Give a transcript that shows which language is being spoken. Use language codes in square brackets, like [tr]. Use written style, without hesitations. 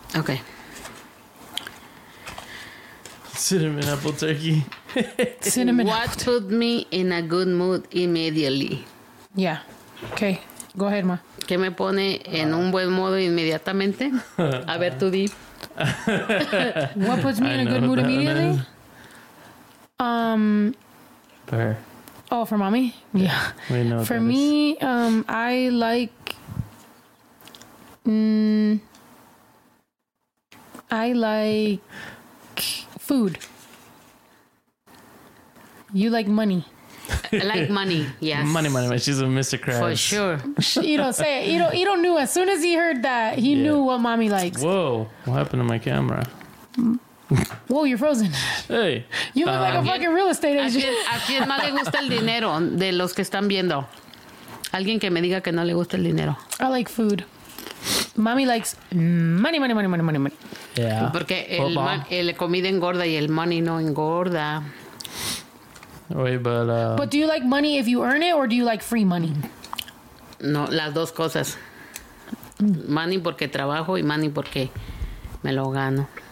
[en] Okay. Cinnamon apple turkey. Cinnamon what apple. Put me in a good mood immediately? Yeah. Okay. Go ahead, ma. [es] ¿Qué me pone en un buen modo inmediatamente? A ver, tú di. [en] What puts me in a good mood immediately? For her. Oh, for mommy? Yeah. We know for me, I like... I like... food. You like money. I like money, yes. Money. She's a Mr. Krabs. For sure. Ido, say it. Ido knew as soon as he heard that, he knew what mommy likes. Whoa, what happened to my camera? Whoa, you're frozen. Hey. You look like a fucking real estate agent. [es] ¿A quién más le gusta el dinero de los que están viendo? Alguien que me diga que no le gusta el dinero. [en] I like food. Mommy likes money. Yeah. [es] Porque el comida engorda y el money no engorda. [en] Wait, but... But do you like money if you earn it or do you like free money? [es] No, las dos cosas. Money porque trabajo y money porque me lo gano.